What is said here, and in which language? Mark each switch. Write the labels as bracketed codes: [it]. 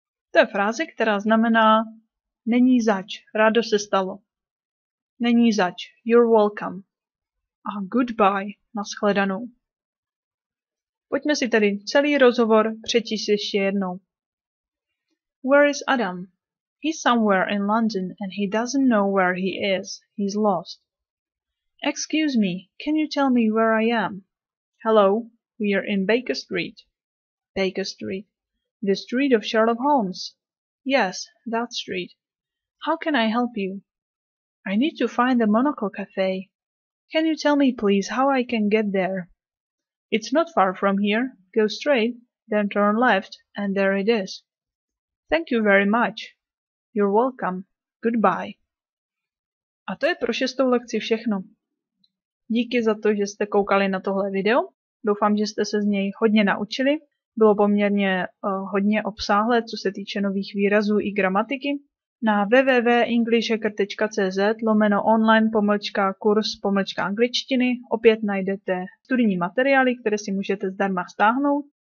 [cs] To je fráze, která znamená není zač, rádo se stalo. Není zač, [en] you're welcome. [cs] A goodbye, nashledanou. Pojďme si tedy celý rozhovor přečíst ještě jednou. [en] Where is Adam? He's somewhere in London and he doesn't know where he is. He's lost. Excuse me, can you tell me where I am? Hello, we are in Baker Street. Baker Street. The street of Sherlock Holmes. Yes, that street. How can I help you? I need to find the Monocle Cafe. Can you tell me, please, how I can get there? It's not far from here. Go straight, then turn left, and there it is. Thank you very much. You're welcome. Goodbye. [cs] A to je pro šestou lekci všechno. Díky za to, že jste koukali na tohle video. Doufám, že jste se z něj hodně naučili. Bylo poměrně hodně obsáhlé, co se týče nových výrazů i gramatiky. Na www.englishhacker.cz/online-kurz-angličtiny opět najdete studijní materiály, které si můžete zdarma stáhnout.